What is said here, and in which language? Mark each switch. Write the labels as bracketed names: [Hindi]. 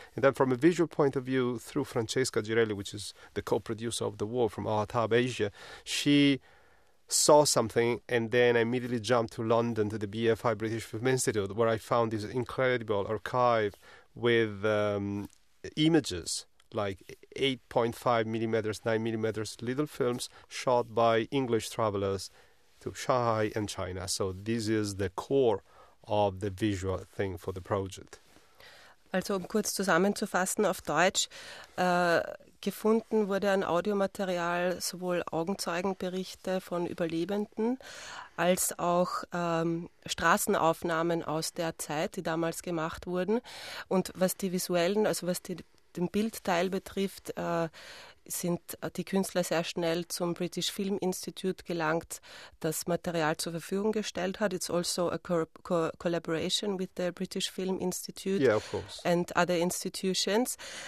[English] And then from a visual point of view, through Francesca Girelli, which is the co-producer of the work from Art Hub Asia, she saw something, and then I immediately jumped to London to the BFI, British Film Institute, where I found this incredible archive with images, 8.5 millimeters, 9 millimeters, little films shot by English travelers to Shanghai and China. So this is the core of the visual thing for the project. [German] Also um kurz zusammenzufassen auf Deutsch, gefunden wurde ein Audiomaterial, sowohl Augenzeugenberichte von Überlebenden als auch Straßenaufnahmen aus der Zeit, die damals gemacht wurden. Und was die visuellen, also was den Bildteil betrifft, sind die Künstler sehr schnell zum British Film Institute gelangt, das Material zur Verfügung gestellt hat. [English] It's also a collaboration with the British Film Institute, yeah, of course, and other institutions.